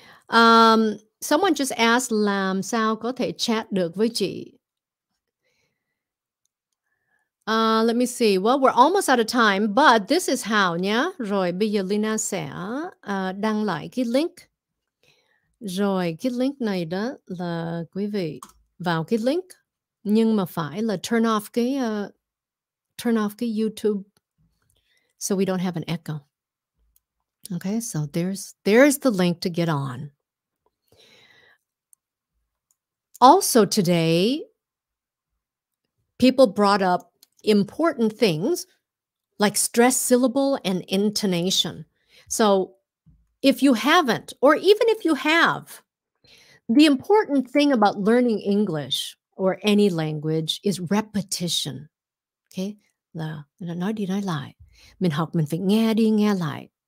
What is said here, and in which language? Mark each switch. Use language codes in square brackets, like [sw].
[en] Someone just asked, [vi] làm sao có thể chat được với chị? [en] Let me see. Well, we're almost out of time, but this is how, nha. [vi] Rồi bây giờ Leyna sẽ đăng lại cái link. Rồi cái link này đó là quý vị vào cái link, nhưng mà phải là [en] turn off [vi] cái YouTube [en] so we don't have an echo. Okay, so there's the link to get on. Also today, people brought up important things like stress syllable and intonation. So if you haven't, or even if you have, the important thing about learning English or any language is repetition. [vi] Okay? Nói đi nói lại. Mình học mình phải nghe đi nghe lại.